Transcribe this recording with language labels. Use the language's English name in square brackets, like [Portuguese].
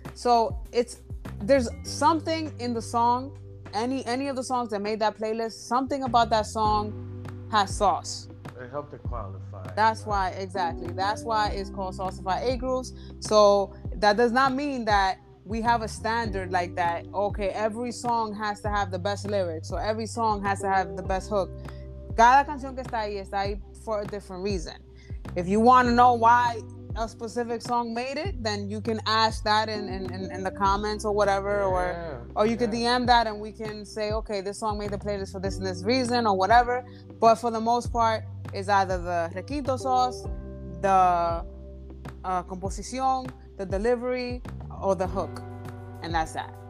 [English] So there's something in the song, any of the songs that made that playlist, something about that song has sauce. It helped it qualify. That's why, exactly. That's why it's called Saucified A Grooves. So that does not mean that we have a standard like that. Okay, every song has to have the best lyrics. So every song has to have the best hook. [Spanish] Cada canción que está ahí [English] for a different reason. If you want to know why a specific song made it, then you can ask that in the comments or whatever. Yeah, or you can DM that and we can say, okay, this song made the playlist for this and this reason or whatever. But for the most part, is either the requinto sauce, the composición, the delivery, or the hook. And that's that.